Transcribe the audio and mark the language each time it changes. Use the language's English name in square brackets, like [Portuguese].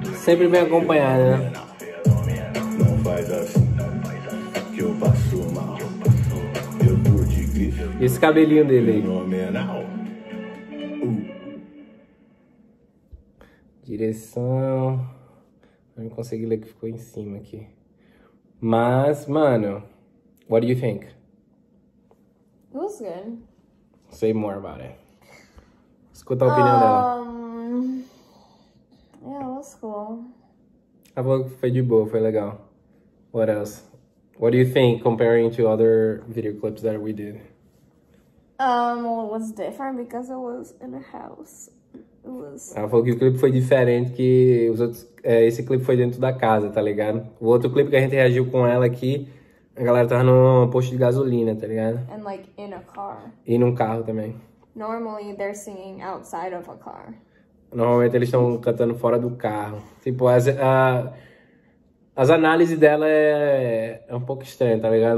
[Portuguese] Sempre bem acompanhada, né? Não faz assim, que eu passo mal. Eu tô de crise. Esse cabelinho dele aí. Fenomenal. Direção. Não consegui ler o que ficou em cima aqui. Mas, mano, [English] what do you think? Looks good. Say more about it. [Portuguese] Escuta a opinião dela. [English] Yeah, that's cool. [Portuguese] A voz foi de boa, foi legal. [English] What else? What do you think comparing to other video clips that we did? Well, it was different because I was in a house. It was. [Portuguese] Ela falou que o clipe foi diferente, que os outros, esse clipe foi dentro da casa, tá ligado? O outro clipe que a gente reagiu com ela aqui, a galera tava num posto de gasolina, tá ligado? [English] And like in a car. [Portuguese] E num carro também. [English] Normally they're singing outside of a car. [Portuguese] Normalmente eles estão cantando fora do carro. Tipo, as análises dela é um pouco estranha, tá ligado?